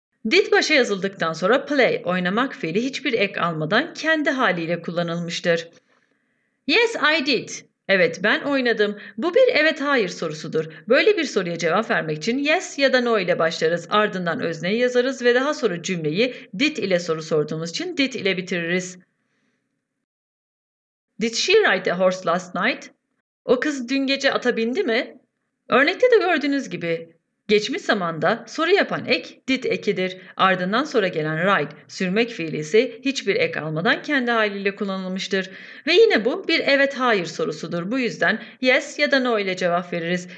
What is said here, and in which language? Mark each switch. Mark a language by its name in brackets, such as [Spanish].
[Turkish] Did başa yazıldıktan sonra play oynamak fiili hiçbir ek almadan kendi haliyle kullanılmıştır. [English] Yes, I did. [Turkish] Evet, ben oynadım. Bu bir evet hayır sorusudur. Böyle bir soruya cevap vermek için yes ya da no ile başlarız. Ardından özneyi yazarız ve daha sonra cümleyi did ile soru sorduğumuz için did ile bitiririz. [English] Did she ride a horse last night? [Turkish] O kız dün gece ata bindi mi? Örnekte de gördüğünüz gibi geçmiş zamanda soru yapan ek did ekidir. Ardından sonra gelen ride, sürmek fiili ise hiçbir ek almadan kendi haliyle kullanılmıştır. Ve yine bu bir evet hayır sorusudur. Bu yüzden yes ya da no ile cevap veririz.